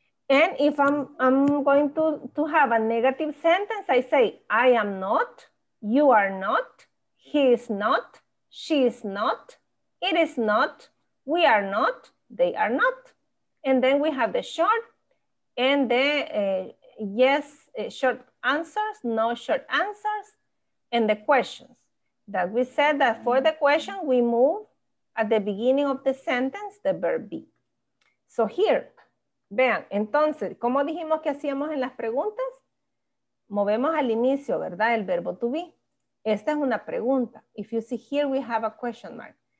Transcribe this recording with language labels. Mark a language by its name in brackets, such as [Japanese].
[English] And if I'm going to have a negative sentence, I say, I am not, you are not, he is not, she is not, it is not, we are not, they are not. And then we have the short and the short answers, no short answers, and the questions. That we said that for the question, we move at the beginning of the sentence, the verb be. [Spanish] So here, vean, entonces, ¿cómo dijimos que hacíamos en las preguntas? Movemos al inicio, ¿verdad? El verbo to be. Esta es una pregunta. [English] If you see here, we have a question mark.